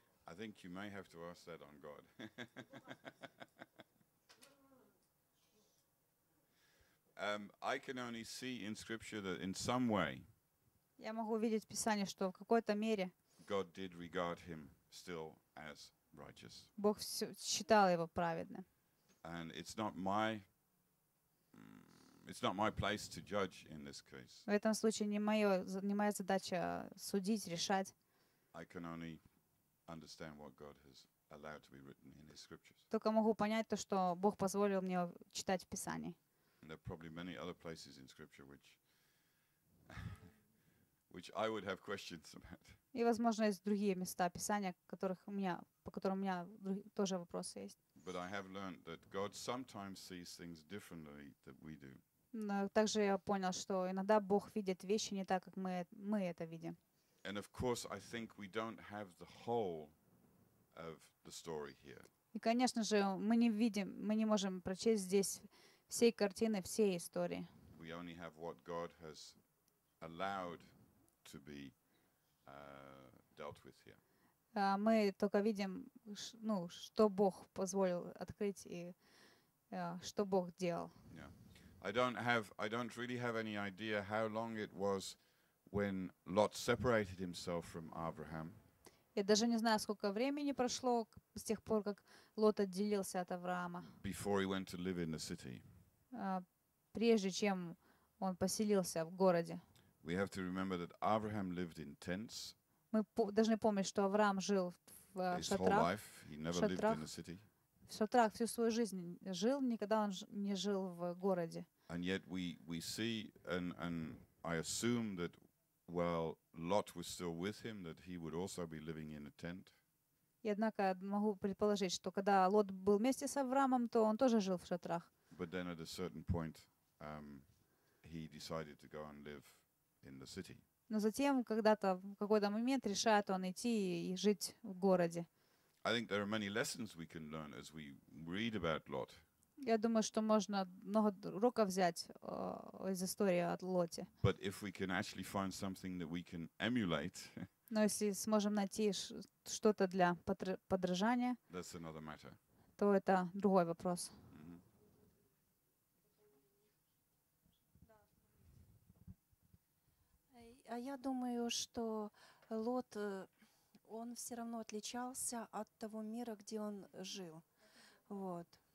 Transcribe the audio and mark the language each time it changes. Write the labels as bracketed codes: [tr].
[en] I think you may have to ask that on God. I can only see in Scripture that in some way [ru] я могу видеть в Писании, что в какой-то мере [en] God did regard him still as righteous. [ru] Бог считал его праведным. [en] And it's not my place to judge in this case. [ru] В этом случае не моя задача судить, решать. [en] I can only understand what God has allowed to be written in his scriptures. [ru] Только могу понять то, что Бог позволил мне читать в Писании. [en] And there are probably many other places in scripture which I would have questions about. [ru] И возможно есть другие места Писания, по которым у меня тоже вопросы есть. [en] But I have learned that God sometimes sees things differently than we do. [ru] Но также я понял, что иногда Бог видит вещи не так, как мы это видим. [en] And of course, I think we don't have the whole of the story here. [ru] И, конечно же, мы не можем прочесть здесь всей картины, всей истории. [en] We only have what God has allowed to be dealt with here. [ru] Мы только видим, что Бог позволил открыть и что Бог делал. [en] Yeah. I don't really have any idea how long it was when Lot separated himself from Abraham. [ru] Я даже не знаю, сколько времени прошло с тех пор, как Лот отделился от Авраама. [en] Before he went to live in the city. [ru] Прежде чем он поселился в городе. [en] We have to remember that Abraham lived in tents. [ru] Мы должны помнить, что Авраам жил в шатрах. [en] His whole life, he never lived in the city. [ru] В шатрах всю свою жизнь жил, никогда он не жил в городе. [en] And yet we see and I assume that while Lot was still with him, that he would also be living in a tent. [ru] И однако могу предположить, что когда Лот был вместе с Авраамом, то он тоже жил в шатрах. [en] But then at a certain point, he decided to go and live in the city. [ru] Но затем когда-то в какой-то момент решает он идти и жить в городе. [en] I think there are many lessons we can learn as we read about Lot. [ru] Я думаю, что можно много уроков взять из истории о Лоте. [en] But if we can actually find something that we can emulate. [ru] Но если сможем найти что-то для подражания. [en] That's another matter. [ru] То это другой вопрос. А я думаю, что Лот, он все равно отличался от того мира, где он жил. Вот.